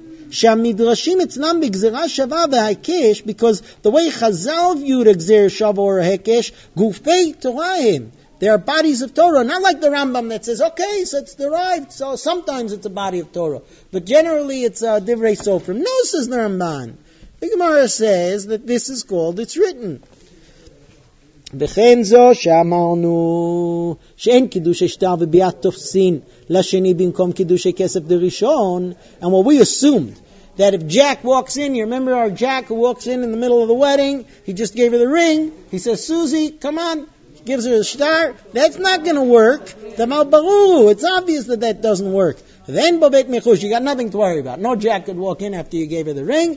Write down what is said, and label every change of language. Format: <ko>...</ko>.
<en>Shamidrashim it's not Gzera Shava v'Hekesh, because the way Chazal viewed Gzera Shava or Hekesh,</en> <he>Gufei Torahim.</he> <en>There are bodies of Torah, not like the Rambam that says, okay, so it's derived, so sometimes it's a body of Torah. But generally it's a Divrei Sofrim. No, says the Ramban. The Gemara says that this is called, it's written.</en> <he>וכן זו שאמרנו שאין קידושי שטר וביאת תופסין לשני במקום קידושי כסף דראשון.</he> <en>And what we assumed, that if Jack walks in, you remember our Jack who walks in the middle of the wedding, he just gave her the ring, he says, Susie, come on, he gives her a star, that's not going to work. It's obvious that that doesn't work. Then Bobet Mechush, you got nothing to worry about. No Jack could walk in after you gave her the ring.</en>